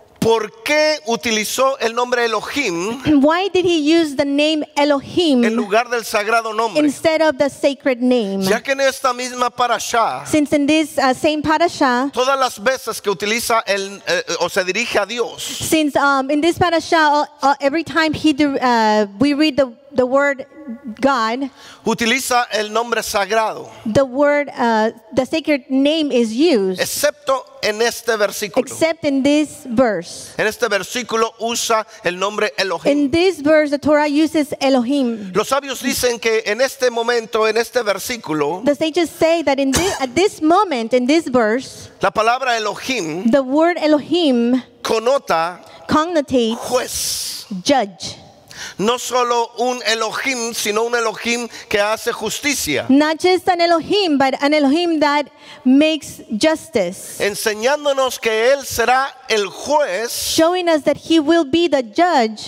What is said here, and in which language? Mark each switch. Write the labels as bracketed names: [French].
[Spanish] ¿por qué utilizó el nombre Elohim? [English] Why did he use the name Elohim [Spanish] en lugar del sagrado nombre? [English] Instead of the sacred name. [Spanish] Ya que en esta misma parasha, [English] since in this same parasha, [Spanish] todas las veces que utiliza el o se dirige a Dios, [English] since in this parasha, every time we read the word God, [Spanish] utiliza el nombre sagrado. [English] The word, the sacred name is used. [Spanish] Excepto en este versículo. [English] Except in this verse. [Spanish] En este versículo usa el nombre Elohim. [English] In this verse, the Torah uses Elohim. [Spanish] Los sabios dicen que en este momento, en este versículo, [English] the sages say that in this, at this moment, in this verse, [Spanish] la palabra Elohim, [English] the word Elohim, [Spanish] connota, [English] connotates, [Spanish] juez, [English] judge. [Spanish] No solo un Elohim, sino un Elohim que hace justicia. [English] Not just an Elohim, but an Elohim that makes justice. [Spanish] Enseñándonos que él será el juez. [English] Showing us that he will be the judge.